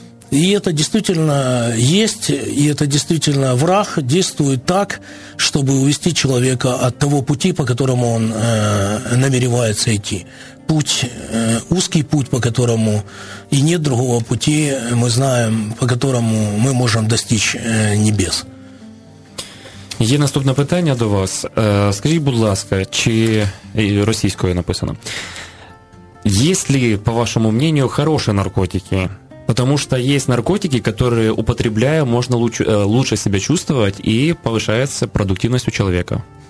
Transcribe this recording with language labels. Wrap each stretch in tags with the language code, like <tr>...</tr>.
<ru>И это действительно есть, и это действительно враг действует так, чтобы увести человека от того пути, по которому он намеревается идти. Узкий путь, по которому и нет другого пути, мы знаем, по которому мы можем достичь небес.</ru> <uk>Є наступне питання до вас. Скажіть, будь ласка, чи російською написано.</uk> <ru>Есть ли, по вашему мнению, хорошие наркотики? Потому что есть наркотики, которые, употребляя, можно лучше себя чувствовать и повышается продуктивность у человека.</ru>